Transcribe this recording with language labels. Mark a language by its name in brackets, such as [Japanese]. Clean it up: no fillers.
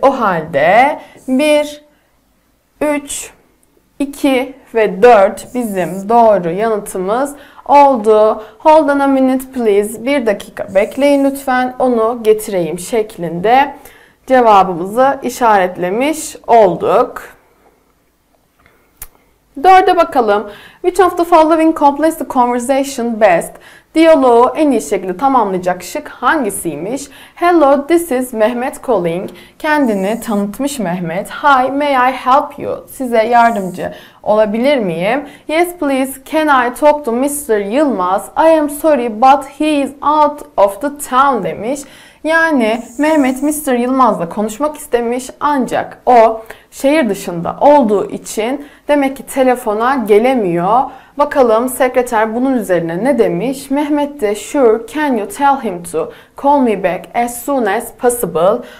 [Turkish] O halde 1, 3, 2 ve 4 bizim doğru yanıtımız oldu. [English] Hold on a minute please, [Turkish] bir dakika bekleyin lütfen onu getireyim şeklinde cevabımızı işaretlemiş olduk. 4'e bakalım. [English] Which of the following completes the conversation best? [Turkish] Diyaloğu en iyi şekilde tamamlayacak şık hangisiymiş? [English] Hello, this is Mehmet calling. [Turkish] Kendini tanıtmış [English] Mehmet. Hi, may I help you? [Turkish] Size yardımcı olabilir miyim? [English] Yes, please. Can I talk to Mr. Yılmaz? I am sorry, but he is out of the town [Turkish] demiş. Yani Mehmet Mr. Yılmaz'la konuşmak istemiş ancak o şehir dışında olduğu için demek ki telefona gelemiyor. Bakalım sekreter bunun üzerine ne demiş? Mehmet de [English] sure can you tell him to call me back as soon as possible?